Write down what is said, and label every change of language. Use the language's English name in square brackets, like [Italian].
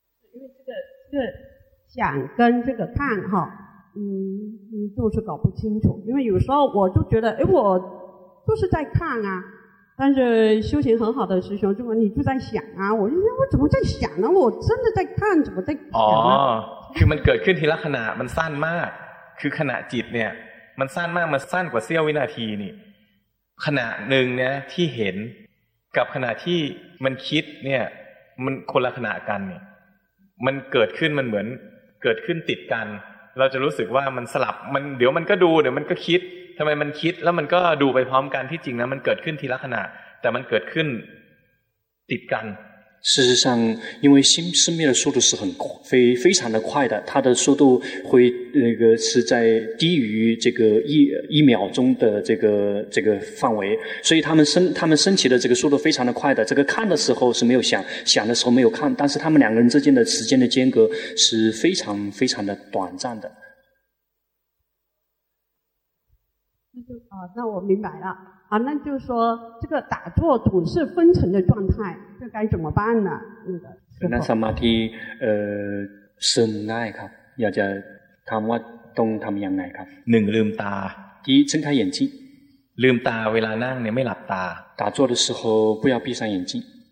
[Chinese] 这个想跟这个看哈，就是搞不清楚。因为有时候我就觉得，哎，我就是在看啊。但是修行很好的师兄就问你，就在想啊。我说，我怎么在想呢？我真的在看，怎么在想呢？哦， [Thai] คือมันเกิดขึ้นทีละขณะมันสั้นมากคือขณะจิตเนี่ยมันสั้นมากมันสั้นกว่าเสี้ยววินาทีนี่ขณะหนึ่งเนี่ยที่เห็นกับขณะที่มันคิดเนี่ยมันคนละขณะกันเนี่ยมันเกิดขึ้นมันเหมือนเกิดขึ้นติดกันเราจะรู้สึกว่ามันสลับมันเดี๋ยวมันก็ดูเดี๋ยวมันก็คิดทำไมมันคิดแล้วมันก็ดูไปพร้อมกันที่จริงนะมันเกิดขึ้นทีละขณะแต่มันเกิดขึ้นติดกัน [Chinese] 事实上因为心生灭的速度是很非常的快的它的速度会那个是在低于这个一秒钟的这个范围所以他们升起的这个速度非常的快的这个看的时候是没有想的时候没有看但是他们两个人之间的时间的间隔是非常非常的短暂的那我明白了啊，那就是说，这个打坐总是分神的状态，这该怎么办呢？ [Thai] 那สมาธิ ซึมง่ายครับ อยากจะถามว่าต้องทำยังไงครับ หนึ่งลืมตา ที่ซึ่งท่าเห็นจิ ลืมตาเวลานั่งเนี่ยไม่หลับตา [Chinese] 打坐的时候不要闭上眼睛